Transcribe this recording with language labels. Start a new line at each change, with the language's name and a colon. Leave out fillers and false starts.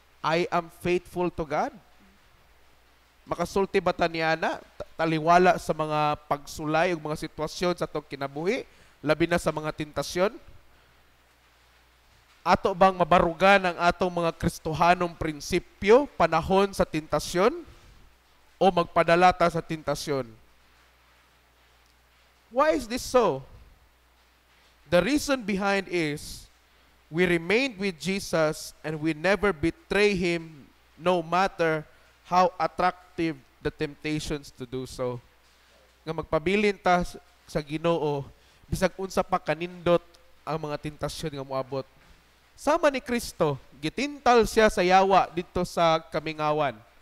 English: I am faithful to God.
Cebuano: Makasulti ba ta niya na taliwala sa mga pagsulay o mga sitwasyon sa itong kinabuhi, labi na sa mga tentasyon? Ato bang mabarugan ang atong mga kristohanong prinsipyo panahon sa tentasyon o magpadalata sa tentasyon?
English: Why is this so? The reason behind is we remained with Jesus and we never betray Him no matter how attractive the temptations to do so.
Cebuano: Nga magpabilin ta sa Ginoo, bisag unsa pa kanindot ang mga tentasyon nga moabot. Sama ni Kristo, gitintal siya sa yawa dito sa kamingawan.